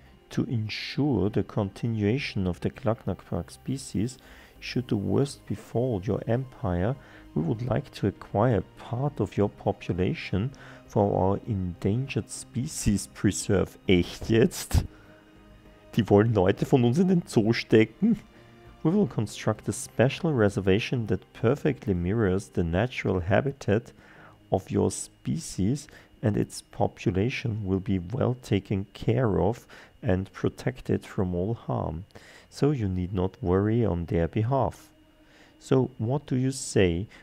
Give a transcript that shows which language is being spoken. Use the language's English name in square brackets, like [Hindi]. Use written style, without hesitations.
[English] To ensure the continuation of the Klacknackpuck species, should the worst befall your empire, we would like to acquire part of your population for our endangered species preserve. [German] Echt jetzt? Die wollen Leute von uns in den Zoo stecken? [English] We will construct a special reservation that perfectly mirrors the natural habitat of your species and its population will be well taken care of and protected from all harm. So you need not worry on their behalf. So what do you say?